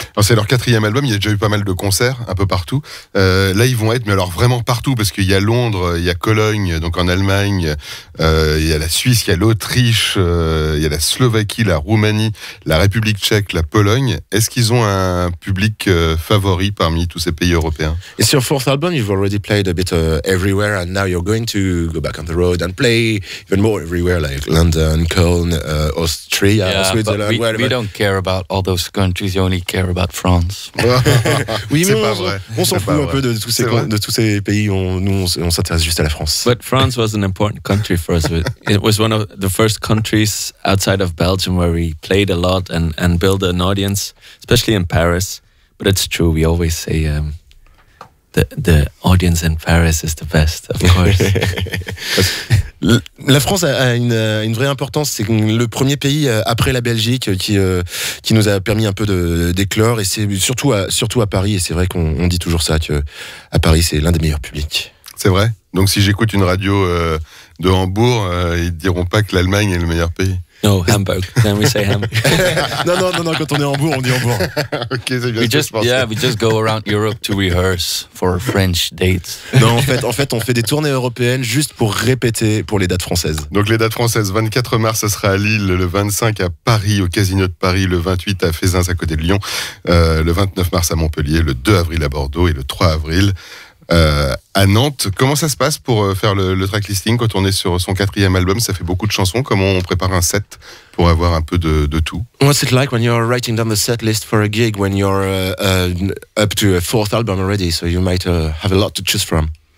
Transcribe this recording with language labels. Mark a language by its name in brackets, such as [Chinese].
[French] Alors, c'est leur 4e album, il y a déjà eu pas mal de concerts, un peu partout. Là, ils vont être, mais alors vraiment partout, parce qu'il y a Londres, il y a Cologne, donc en Allemagne, il y a la Suisse, il y a l'Autriche, il y a la Slovaquie, la Roumanie, la République tchèque, la Pologne. Est-ce qu'ils ont un public favori parmi tous ces pays européens? [English] It's your 4th album, you've already played a bit everywhere, and now you're going to go back on the road and play even more everywhere, like London, Cologne, Austria, yeah, Switzerland, but whatever. We don't care about all those countries, you only care about France. [French] Oui, c'est mais pas on s'en fout un peu de tous ces pays, nous on s'intéresse juste à la France. [English] But France was an important country for us, it was one of the first countries outside of Belgium where we played a lot and built an audience, especially in Paris. But it's true, we always say the audience in Paris is the best, of course. [French] La France a une vraie importance. C'est le premier pays après la Belgique qui nous a permis un peu d'éclore. Et c'est surtout à Paris. Et c'est vrai qu'on dit toujours ça, qu'à Paris, c'est l'un des meilleurs publics. C'est vrai. Donc si j'écoute une radio de Hambourg, ils ne diront pas que l'Allemagne est le meilleur pays. [English] No, Hamburg. Then we say Hamburg. [French] Non, quand on est en Hambourg, on dit Hambourg. Ok, c'est bien. [English] We just go around Europe to rehearse for French dates. [French] Non, en fait, on fait des tournées européennes juste pour répéter pour les dates françaises. Donc les dates françaises, 24 mars, ça sera à Lille, le 25 à Paris, au Casino de Paris, le 28 à Fézens, à côté de Lyon, le 29 mars à Montpellier, le 2 avril à Bordeaux et le 3 avril à Nantes. Comment ça se passe pour faire le tracklisting quand on est sur son quatrième album? Ça fait beaucoup de chansons. Comment on prépare un set pour avoir un peu de tout? [English] What's it like when you're writing down the set list for a gig when you're up to a fourth album already, so you might have a lot to choose from?